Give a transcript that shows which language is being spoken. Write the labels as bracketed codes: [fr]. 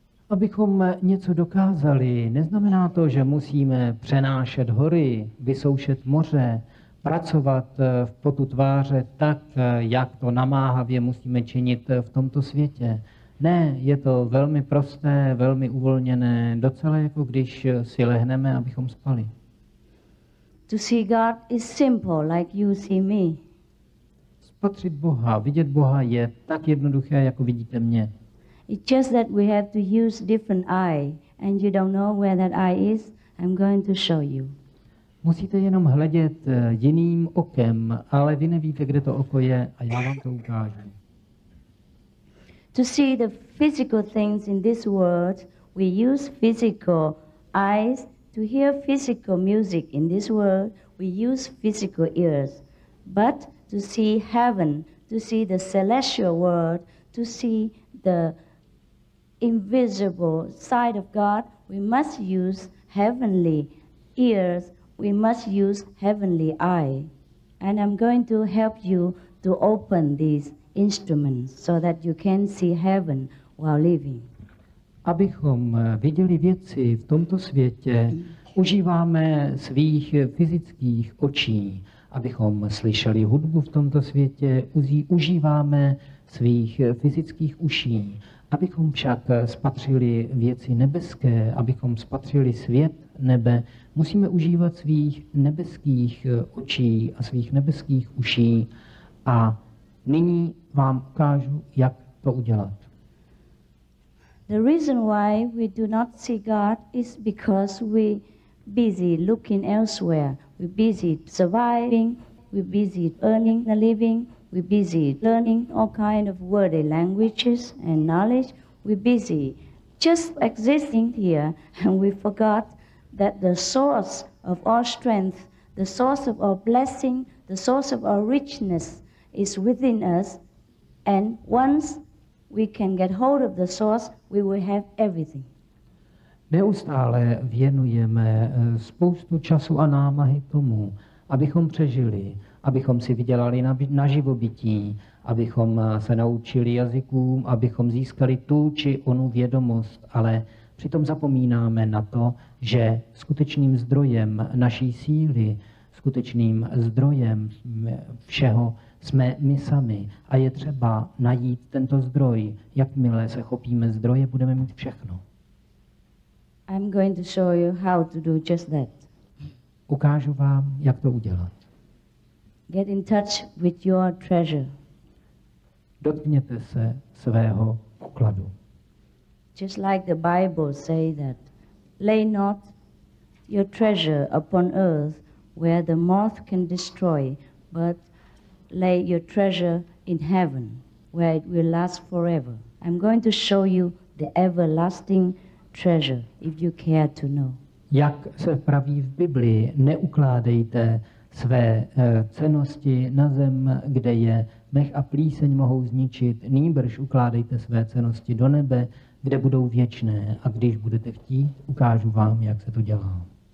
[cs] Abychom něco dokázali, neznamená to, že musíme přenášet hory, vysoušet moře, pracovat v potu tváře tak, jak to namáhavě musíme činit v tomto světě. Ne, je to velmi prosté, velmi uvolněné, docela jako když si lehneme, abychom spali. [en] To see God is simple, like you see me. [cs] Spatřit Boha, vidět Boha je tak jednoduché, jako vidíte mě. [en] It's just that we have to use different eye, and you don't know where that eye is. I'm going to show you. [cs] Musíte jenom hledět jiným okem, ale vy nevíte, kde to oko je, a já vám to ukážu. [en] To see the physical things in this world, we use physical eyes. To hear physical music in this world, we use physical ears. But to see heaven, to see the celestial world, to see the invisible side of God, we must use heavenly ears, we must use heavenly eye. And I'm going to help you to open these instruments so that you can see heaven while living. [cs] Abychom viděli věci v tomto světě, užíváme svých fyzických očí. Abychom slyšeli hudbu v tomto světě, užíváme svých fyzických uší. Abychom však spatřili věci nebeské, abychom spatřili svět nebe, musíme užívat svých nebeských očí a svých nebeských uší. A Nyní vám ukážu, jak to udělat. [en] The reason why we do not see God is because we busy looking elsewhere. We busy surviving, we busy earning a living, we busy learning all kind of worldly languages and knowledge. We busy just existing here and we forgot that the source of all strength, the source of all blessing, the source of all richness is within us, and once we can get hold of the source, we will have everything. [cs] Neustále věnujeme spoustu času a námahy tomu, abychom přežili, abychom si vydělali na živobytí, abychom se naučili jazykům, abychom získali tu či onu vědomost, ale přitom zapomínáme na to, že skutečným zdrojem naší síly, skutečným zdrojem všeho jsme my sami. A je třeba najít tento zdroj. Jakmile se chopíme zdroje, budeme mít všechno. [en] I'm going to show you how to do just that. [cs] Ukážu vám, jak to udělat. [en] Get in touch with your treasure. [cs] Dotkněte se svého pokladu. [en] Just like the Bible say that, lay not your treasure upon earth where the moth can destroy, but lay your treasure in heaven where it will last forever. I'm going to show you the everlasting treasure if you care to know. [cs] Jak se praví v Biblii, neukládejte své cennosti na zem, kde je mech a plíseň mohou zničit, nýbrž ukládejte své cennosti do nebe, kde budou věčné. A když budete chtít, ukážu vám, jak se to dělá.